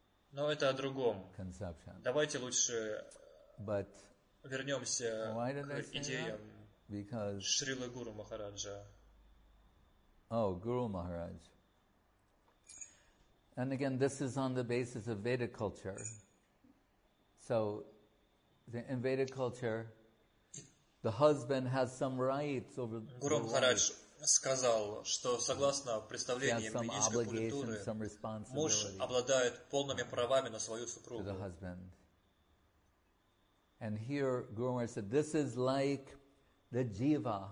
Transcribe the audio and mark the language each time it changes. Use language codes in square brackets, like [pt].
[ru] Но это о другом. Давайте лучше вернемся к идеям Шрилы Гуру Махараджа. Гуру Махарадж. [en] And again, this is on the basis of Vedic culture. So, in Vedic culture, the husband has some rights over the wife. [ru] Гуру Махарадж сказал, что согласно представлениям ведической культуры, муж обладает полными правами на свою супругу. [en] To the husband. And here, Guru Maharaj said, this is like the jiva.